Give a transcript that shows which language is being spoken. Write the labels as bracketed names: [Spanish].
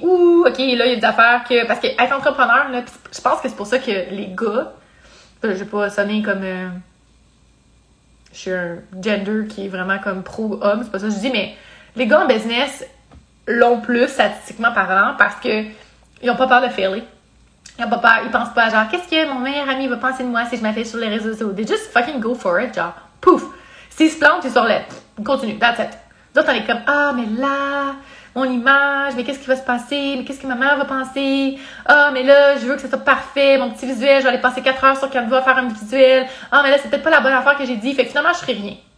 [French] Ouh, ok, là, il y a des affaires que… » Parce qu'être entrepreneur, là, pis je pense que c'est pour ça que les gars, je vais pas sonner comme… Je suis un gender qui est vraiment comme pro-homme, c'est pas ça que je dis, mais les gars en business l'ont plus statistiquement parlant parce que ils ont pas peur de failer. Ils ont pas peur, ils pensent pas à genre, qu'est-ce que mon meilleur ami va penser de moi si je m'affiche sur les réseaux sociaux? [English] They just fucking go for it, [French] genre, pouf! S'ils se plantent, ils sont là, continue, [English] that's it. [French] D'autres, on est comme, ah, mais là, mon image, mais qu'est-ce qui va se passer? Mais qu'est-ce que ma mère va penser? Ah, mais là, je veux que ça soit parfait. Mon petit visuel, je vais aller passer 4 heures sur Canva à faire un visuel. Ah, mais là, c'est peut-être pas la bonne affaire que j'ai dit. Fait que finalement, je ferai rien.